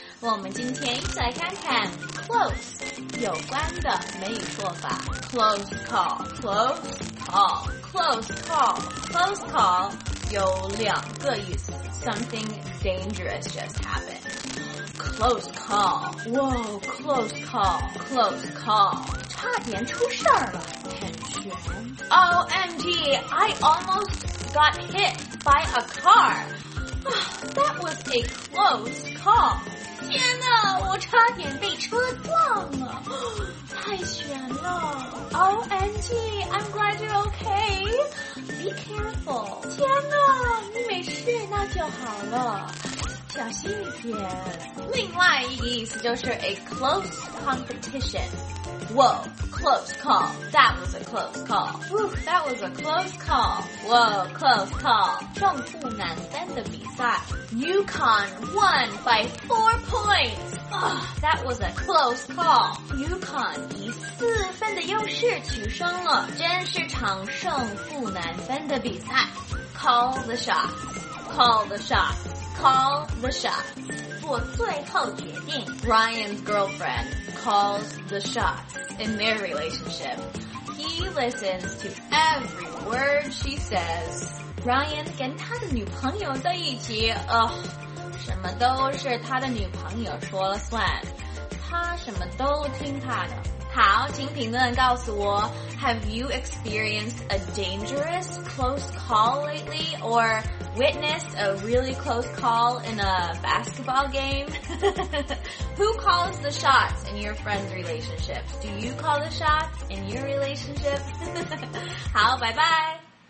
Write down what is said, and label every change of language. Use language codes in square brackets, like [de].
[zh] 我们今天一起来看看 close 有关的美语说法。 Close call 有两个意思。 [en] Something dangerous just happened. Close call. Whoa, close call. Close call. [zh] 差点出事儿了，天哪。 [en] OMG, I almost got hit by a car. That was a close call. [zh] 天哪，我差点被车撞了，太悬了。 [en] OMG, I'm glad you're okay. Be careful. [zh] 天哪，你没事那就好了，小心一点。另外一个意思就是 [en] a close competition. Whoa, close call. That was a close call. Whew, that was a close call. Whoa, close call. [zh] 胜负难分的比赛。 [en] UConn won by 4 points. That was a close call. [zh] UConn 以4分的优势取胜了，真是场胜负难分的比赛。 [en] Call the shots. Call the shots. Call the shots. [zh] 做最后决定。 [en] Ryan's girlfriend calls the shots in their relationship. He listens to every word she says. [zh] Ryan 跟他的女朋友在一起，什么都是他的女朋友说了算，他什么都听他的。好，请评论告诉我 [en] ，Have you experienced a dangerous close call lately, or witnessed a really close call in a basketball game? Who calls the shots in your friend's relationship? Do you call the shots in your relationship? [zh] 好，拜拜。